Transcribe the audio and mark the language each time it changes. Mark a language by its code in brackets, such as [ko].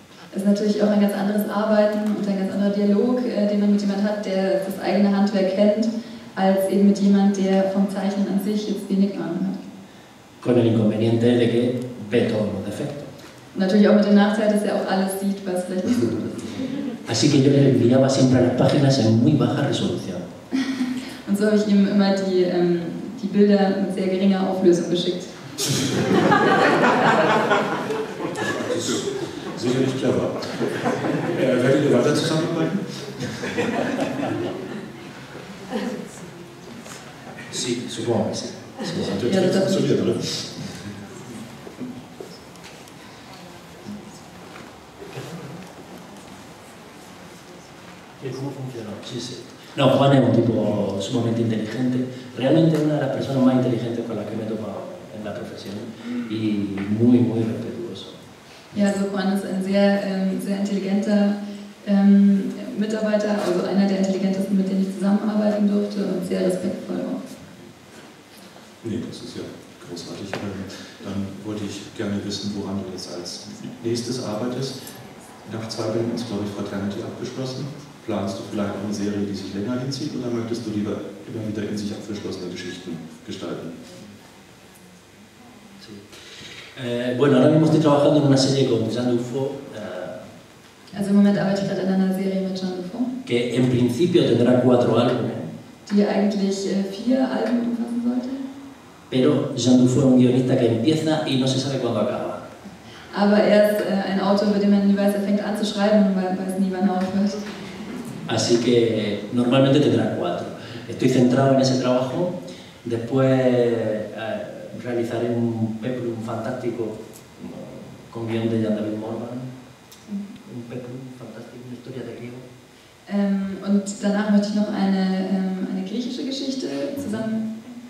[de] Es ist natürlich auch ein ganz anderes Arbeiten und ein ganz anderer Dialog, den man mit jemand hat, der das eigene Handwerk kennt, als eben mit jemand, der vom Zeichnen an sich jetzt wenig Ahnung hat. [es] Con el inconveniente de que ve todos los defectos. [de] Natürlich auch mit dem Nachteil, dass er auch alles sieht, was vielleicht nicht gut ist. [es] Así que yo le enviaba siempre las páginas en muy baja resolución. [de] Und so habe ich ihm immer die Bilder mit sehr geringer Auflösung geschickt. Sicherlich clever. Werdet ihr weiter zusammenarbeiten? [es] Sí, supongo que sí. [de] Das ist natürlich funktioniert, oder? [es] cómo funcionó. Sí, sí. No, Juan es un tipo sumamente inteligente. Realmente una de las personas más inteligentes con las que me he topado en la profesión y muy, muy respetuoso. [de] Ja, also Juan ist ein sehr, sehr intelligenter Mitarbeiter, also einer der intelligentesten, mit denen ich zusammenarbeiten durfte und sehr respektvoll auch. Nee, das ist ja großartig. Dann wollte ich gerne wissen, woran du jetzt als nächstes arbeitest. Nach zwei Bänden ist, glaube ich, Fraternity abgeschlossen. Planst du vielleicht eine Serie, die sich länger hinzieht, oder möchtest du lieber immer wieder in sich abgeschlossene Geschichten gestalten? [es] Sí. Bueno, ahora mismo estoy trabajando en una serie con Jean Dufaux. [de] Also im Moment arbeite ich gerade an einer Serie mit Jean Dufaux. [es] Que en principio tendrá cuatro álbumes. [de] Die eigentlich vier Alben umfassen sollte. [es] Pero Jean Dufaux es un guionista que empieza y no se sabe cuándo acaba. [de] Aber er ist ein Autor, bei dem man nie weiß, er fängt an zu schreiben und weiß nie, wann er aufhört. [es] Así que normalmente tendrá cuatro. Estoy centrado en ese trabajo. Después realizaré un peplum fantástico con guion de Jan David Morvan. Un peplum fantástico, una historia de griego. [de] Und danach möchte ich noch eine griechische Geschichte zusammen.